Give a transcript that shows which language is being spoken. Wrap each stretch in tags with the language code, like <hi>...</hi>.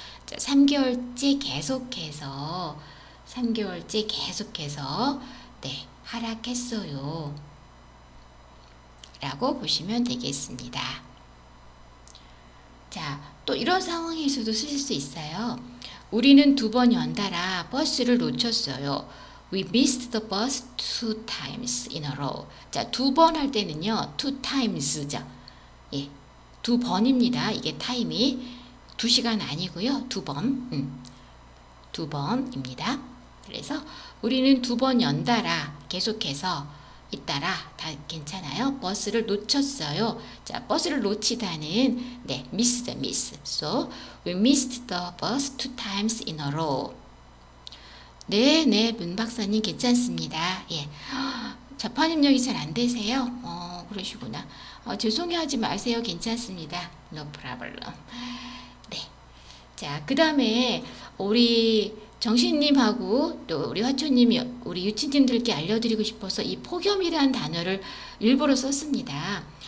<ko>자, 3개월째 계속해서, 네, 하락했어요. 라고 보시면 되겠습니다. 자, 또 이런 상황에서도 쓰실 수 있어요. 우리는 두번 연달아 버스를 놓쳤어요.</ko> <en>We missed the bus two times in a row.</en> <ko>자, 두번할 때는요, two times죠. 예, 두 번입니다. 이게 타임이 두 시간 아니고요, 두 번. 두 번입니다. 그래서 우리는 두번 연달아 계속해서 잇따라 다 괜찮아요. 버스를 놓쳤어요. 자, 버스를 놓치다는 네, miss.</ko> <en>So we missed the bus two times in a row.</en> <ko>네, 문 박사님 괜찮습니다. 예, 자판 입력이 잘안 되세요? 그러시구나. 죄송해하지 마세요. 괜찮습니다.</ko> <en>No problem.</en> <ko>자, 그 다음에 우리 정신님하고 또 우리 화초님이 우리 유치님들께 알려드리고 싶어서 이 폭염이라는 단어를 일부러 썼습니다.</ko>